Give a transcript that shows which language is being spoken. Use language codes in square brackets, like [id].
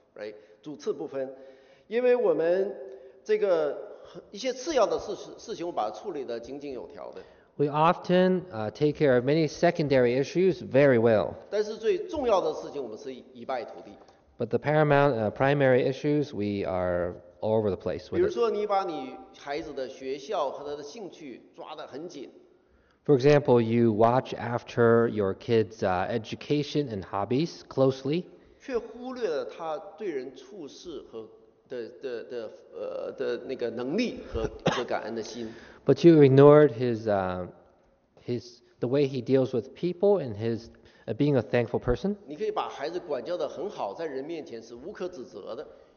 [zh] Right, 主次不分，因为我们这个一些次要的事情，我把它处理得井井有条的。 [en] We often take care of many secondary issues very well. [zh] 但是最重要的事情，我们是一败涂地。 [en] But the paramount primary issues, we are all over the place. [zh] 比如说，你把你孩子的学校和他的兴趣抓得很紧。 [en] For example, you watch after your kids' education and hobbies closely. [zh] 却忽略了他对人处事和的那个能力和感恩的心。 [en] But you ignored his the way he deals with people and his being a thankful person. [zh] 你可以把孩子管教得很好，在人面前是无可指责的。